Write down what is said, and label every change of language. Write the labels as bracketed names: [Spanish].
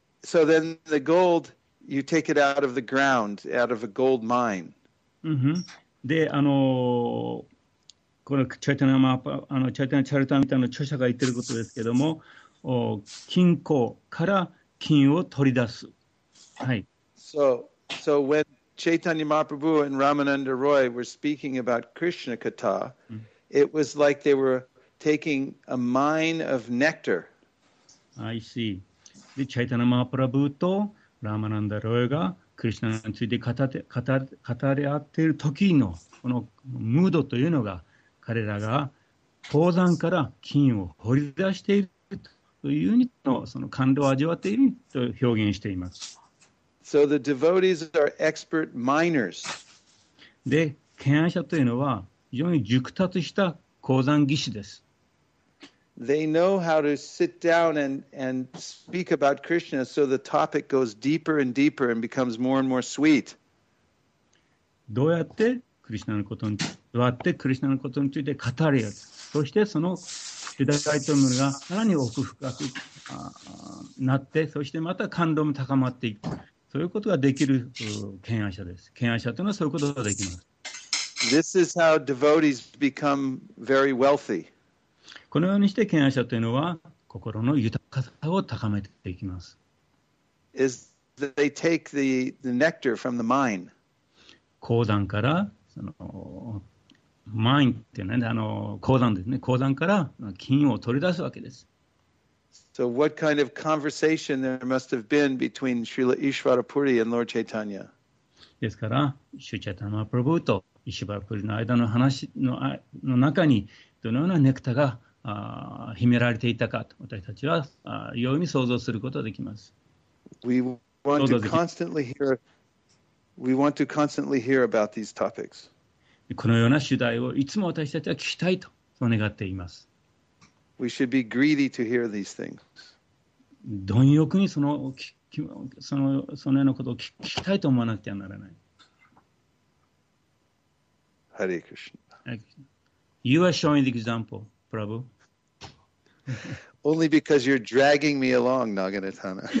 [English] So then the gold, you take it out of the ground, out of a gold mine. Mm-hmm. [Japanese] で、このチャイタナマーパ、チャイタナチャルタみたいな著者が言ってることですけども、金庫から金を取り出す。はい。 [English] So when Chaitanya Mahaprabhu and Ramananda Roy were speaking about Krishna Katha, it was like they were taking a mine of nectar. I see. [Japanese] で、チャイタナマープラブーとラマナンダロイがクリシナについて語り合っている時のこのムードというのが彼らが鉱山から金を掘り出しているというにとその感動を味わっていると表現しています。 [English] So the devotees are expert miners. [Japanese] で、権威者というのは非常に熟達した鉱山技師です。 [English] They know how to sit down and speak about Krishna so the topic goes deeper and deeper and becomes more and more sweet. [Japanese] どうやってクリシナのことについて、座ってクリシナのことについて語り合う。そしてそのヒダガイトムがさらに奥深くなって、そしてまた感動も高まっていく。そういうことができる権威者です。権威者というのはそういうことができます。 [English] This is how devotees become very wealthy. [Japanese] このようにして権威者というのは心の豊かさを高めていきます。 [English] Is they take the nectar from the mine? [Japanese] 鉱山からそのマインっていうね鉱山ですね。鉱山から金を取り出すわけです。 [English] So what kind of conversation there must have been between Srila Ishvarapuri and Lord Chaitanya? [Japanese] ですからシュチャタマプラブーとイシュバラプリの間の話の中にどのようなネクタが秘められていたかと私たちは容易に想像することができます。 [English] We want to constantly hear about these topics. [Japanese] このような主題をいつも私たちは聞きたいと願っています。 [English] We should be greedy to hear these things. [Japanese] 貪欲にそのようなことを聞きたいと思わなくてはならない。 [English] Hare Krishna. You are showing the example, Prabhu. Only because you're dragging me along, Naganatana.